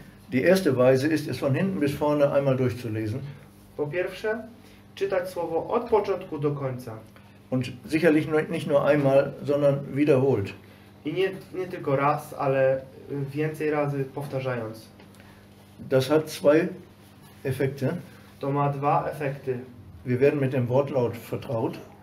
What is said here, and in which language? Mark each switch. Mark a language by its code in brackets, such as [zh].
[de] Die erste Weise ist, es von hinten bis vorne einmal durchzulesen. [pl] Po pierwsze, czytać słowo od początku do końca. [de] Und sicherlich nicht nur einmal, sondern wiederholt. [pl] I nie tylko raz, ale więcej razy powtarzając. [de] Das hat zwei Effekte. [pl] To ma dwa efekty. [de] Wir werden mit dem Wortlaut vertraut.